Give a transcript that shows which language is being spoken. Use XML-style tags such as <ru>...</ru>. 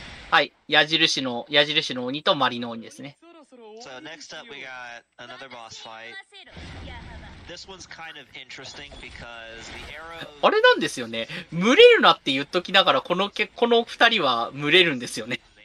<ja>はい、矢印の鬼とマリの鬼ですね。</ja> <en>So next up we got another boss fight. This one's kind of interesting because the arrow.</en> <ja>あれなんですよね。群れるなって言っときながらこの二人は群れるんですよね。</ja>